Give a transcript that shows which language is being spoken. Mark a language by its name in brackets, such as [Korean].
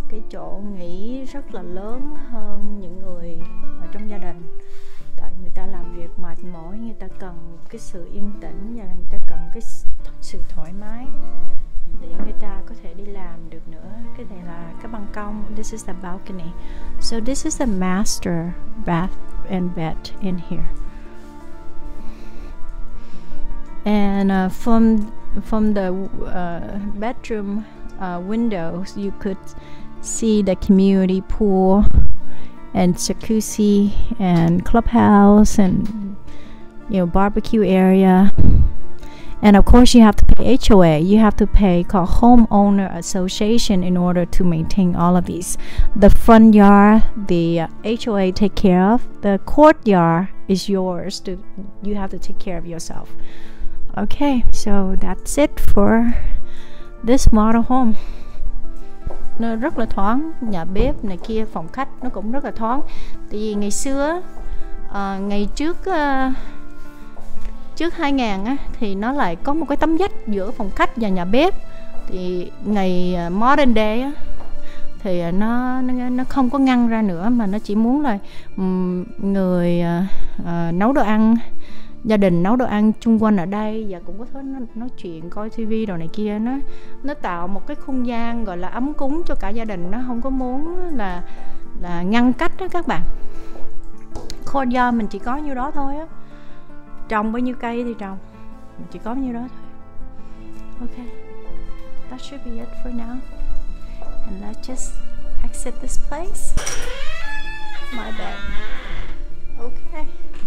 [Vietnamese] chỗ nghỉ rất là lớn hơn những người ở trong gia đình. Tại người ta làm việc mệt mỏi, người ta cần cái sự yên tĩnh và người ta cần cái sự thoải mái để người ta có thể đi làm được nữa. Cái này là cái ban công. [English] This is the balcony. So this is the master bath and bed in here. And from the bedroom windows, you could see the community pool and jacuzzi and clubhouse and, you know, barbecue area. And of course, you have to pay HOA. You have to pay called homeowner association in order to maintain all of these. The front yard, the HOA take care of. The courtyard is yours. You have to take care of yourself. Okay, so that's it for this model home. [Vietnamese] Nó rất là thoáng, nhà bếp này kia, phòng khách nó cũng rất là thoáng. Tại vì ngày xưa, ngày trước trước 2000 á, thì nó lại có một cái tấm vách giữa phòng khách và nhà bếp. Thì ngày [English] modern day [Vietnamese] á, thì nó không có ngăn ra nữa, mà nó chỉ muốn là người nấu đồ ăn, gia đình nấu đồ ăn chung quanh ở đây, và cũng có thể nói chuyện, coi TV đồ này kia. Nó tạo một cái không gian gọi là ấm cúng cho cả gia đình. Nó không có muốn là ngăn cách đó các bạn. Courtyard mình chỉ có nhiêu đó thôi á. Trồng bao nhiêu cây thì trồng, mình chỉ có nhiêu đó thôi. [English] Ok, that should be it for now. And let's just exit this place. My bad. Okay.